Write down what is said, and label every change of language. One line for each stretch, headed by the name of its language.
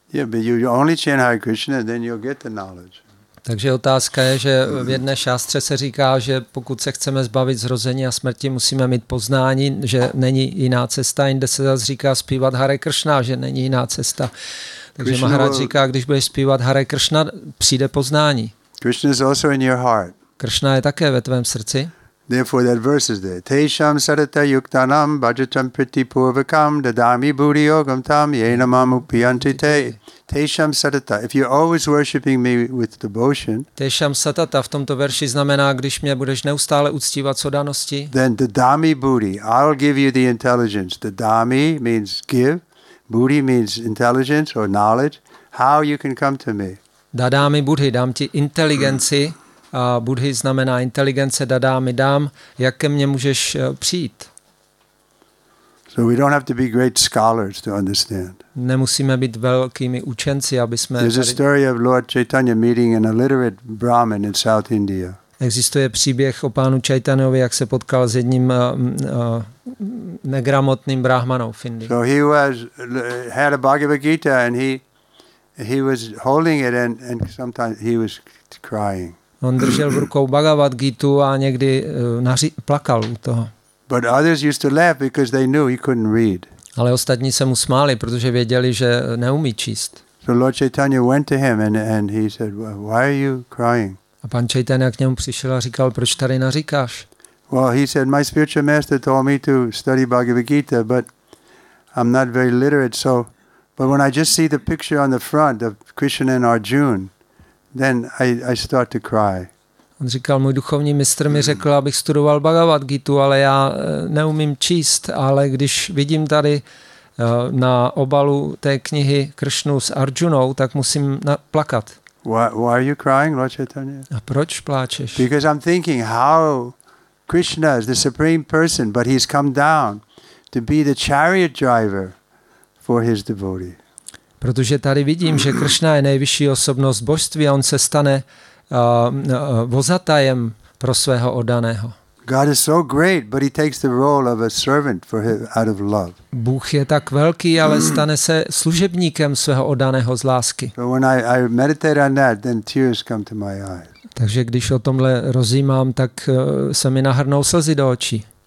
English: but you only chant Hare Krishna, then you'll get the knowledge.
Czech: Takže otázka je, že v jedné šástře se říká, že pokud se chceme zbavit zrození a smrti, musíme mít poznání, že není jiná cesta. Jinde se zase říká zpívat Hare Krishna, že není jiná cesta. Takže Maharaj říká, když budeš zpívat Hare Krishna, přijde poznání.
English: Krishna is also in your heart.
Czech: Krishna je také ve tvém srdci.
English: Therefore that verse is there.
Sanskrit: Tesham sarata yuktanam bhajatam priti purvakam dadami buddhi yogam tam yenamam upiyantite. Tesham sarata.
English: If you're always worshipping me with devotion.
Czech: Tesham sarata v tomto verši znamená, když mě budeš neustále uctívat soudanosti.
English: Then dadami buddhi. I'll give you the intelligence. Dadami means give. Buddhi means intelligence or knowledge. How you can come to me.
Czech: Dadami buddhi. Dám ti inteligenci. A buddhi znamená inteligence, dadámi dám, jak ke mně můžeš přijít.
English: So we don't have to be great scholars to understand.
Czech: Nemusíme být velkými učenci, aby jsme.
English: There's a story of Lord Chaitanya meeting an illiterate Brahmin in South India.
Czech: Existuje příběh o pánu Chaitanyovi, jak se potkal s jedním negramotným brahmanou v Indii.
English: So he was had a Bhagavad Gita and he was holding it and sometimes he was crying.
Czech: On držel v rukou Bhagavad Gitu a někdy plakal u toho.
English: But others used to laugh because they knew he couldn't read.
Czech: Ale ostatní se mu smáli, protože věděli, že neumí číst.
English: So Lord Chaitanya went to him and he said, "Why are you crying?"
Czech: A pan Chaitanya k němu přišel a říkal, proč tady naříkáš?
English: Well, he said, my spiritual master told me to study Bhagavad Gita, but I'm not very literate, so, but when I just see the picture on the front of Krishna and Arjuna, then I start to cry.
Czech: On říkal, můj duchovní mistr mi řekl, abych studoval Bhagavad Gita, ale já neumím číst, ale když vidím tady na obalu té knihy Krishnu s Arjunou, tak musím plakat.
English: Why are you crying, Lord Chaitanya?
Czech: A proč pláčeš?
English: Because I'm thinking how Krishna is the supreme person, but he's come down to be the chariot driver for his devotee.
Czech: Protože tady vidím, že Krishna je nejvyšší osobnost božství a on se stane vozatajem pro svého oddaného.
English: God is so great, but he takes the role of a servant for him out of love.
Czech: Bůh je tak velký, ale stane se služebníkem svého oddaného z lásky.
English: So when I meditate on that, then tears come to my eyes.
Czech: Takže když o tomhle rozjímám, tak se mi nahrnou slzy do očí.